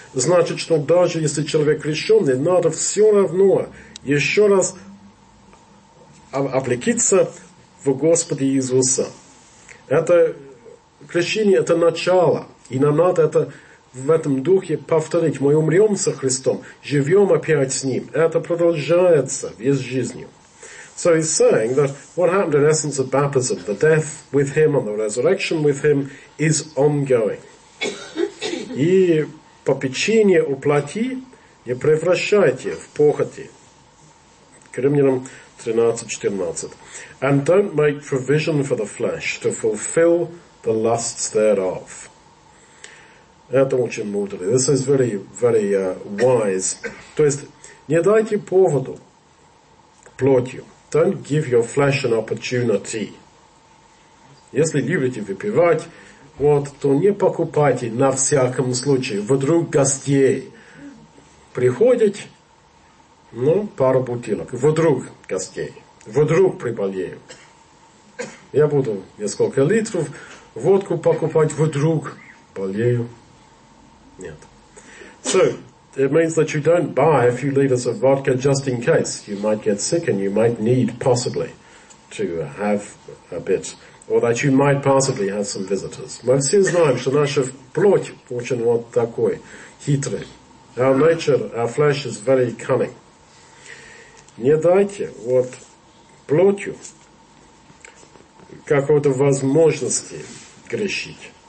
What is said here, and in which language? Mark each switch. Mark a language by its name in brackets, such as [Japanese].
[Russian] Значит, что даже если человек крещенный, надо все равно еще раз облекиться в Господа Иисуса. Это крещение, это начало. И нам надо это в этом духе повторить. Мы умрем со Христом, живем опять с Ним. Это продолжается весь жизнью. [English] So he's saying that what happened in essence of baptism, the death with him and the resurrection with him, is ongoing. [Russian] И попечение о плоти не превращайте в похоти. К Римлянам 13:14. [English] And don't make provision for the flesh to fulfill the lusts thereof. [Russian] Это очень мудрый. [English] This is very, very wise. [Russian] То есть, не дайте поводу плотью. [English] Don't give your flesh an opportunity. [Russian] Если любите выпивать, Вот, то не покупайте на всяком случае. Вдруг гостей приходят, ну, пару бутылок. Вдруг гостей. Вдруг приболею. Я буду несколько литров водку покупать, вдруг болею. Нет. [English] So, it means that you don't buy a few liters of vodka just in case. You might get sick and you might need possibly to have a bit. Or that you might possibly have some visitors. [Russian] Мы все знаем, что наша плоть очень вот такой, хитрый. [English] Our nature, our flesh is very cunning. [Russian] Не дайте вот плотью какой-то возможности грешить.